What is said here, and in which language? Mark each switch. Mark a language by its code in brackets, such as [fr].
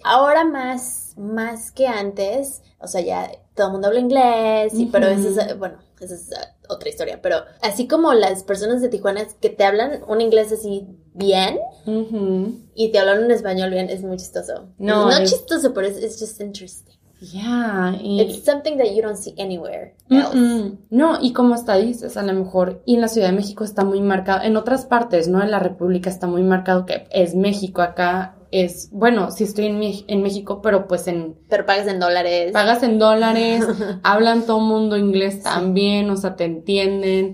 [es] Ahora más que antes, o sea, ya todo el mundo habla inglés, y, pero eso es, bueno, eso es otra historia, pero así como las personas de Tijuana que te hablan un inglés así bien y te hablan un español bien, es muy chistoso. No, es no chistoso, pero es [en] just interesting. Yeah. It's something that you don't see anywhere else. [es] No, y como hasta dices, a lo mejor, y en la Ciudad de México está muy marcado, en otras partes, ¿no? En la República está muy marcado que es México acá. Es, bueno, sí estoy en México, pero pues en... Pero pagas en dólares. Pagas en dólares, hablan todo mundo inglés también, sí. O sea, te entienden.